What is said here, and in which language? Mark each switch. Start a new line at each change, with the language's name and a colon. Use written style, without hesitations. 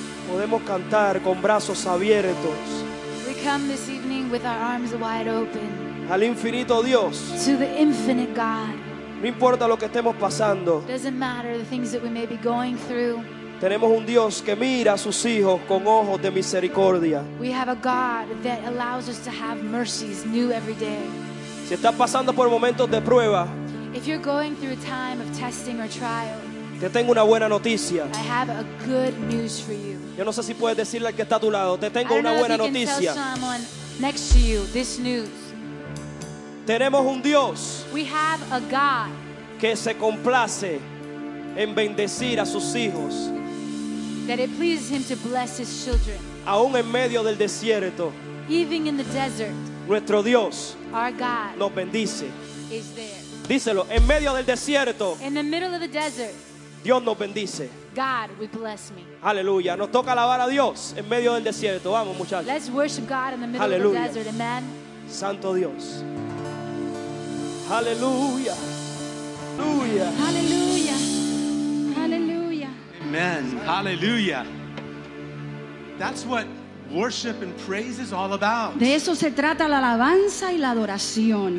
Spanish: Podemos cantar con brazos abiertos.
English: Come this evening with our arms wide open.
Spanish: Al infinito Dios.
English: To the infinite God.
Spanish: No importa lo que estemos pasando.
English: Doesn't matter the things that we may be going through.
Spanish: Tenemos un Dios que mira a sus hijos con ojos de misericordia.
English: We have a God that allows us to have mercies new every day.
Spanish: Si estás pasando por momentos de prueba.
English: If you're going through a time of testing or trial.
Spanish: Te tengo una buena noticia.
English: I have a good news for you.
Spanish: Yo no sé si puedes decirle al que está a tu lado. Te tengo una buena noticia.
English: I don't know if you can tell someone next to you this news.
Spanish: Tenemos un Dios.
English: We have a God.
Spanish: Que se complace en bendecir a sus hijos.
English: That it pleases him to bless his children.
Spanish: Aún en medio del desierto.
English: Even in the desert.
Spanish: Nuestro Dios.
English: Our God.
Spanish: Nos bendice.
English: Is there.
Spanish: Díselo, en medio del desierto.
English: In the middle of the desert.
Spanish: Dios nos bendice.
English: God, we bless me.
Spanish: Aleluya. Nos toca alabar a Dios en medio del desierto. Vamos, muchachos.
English: Let's worship God in the middle
Spanish: aleluya.
English: Of the desert. Amen.
Spanish: Santo Dios. Aleluya. Aleluya. Aleluya. Aleluya. Amen. Aleluya.
English: That's what worship and praise is all about.
Spanish: De eso se trata la alabanza y la adoración.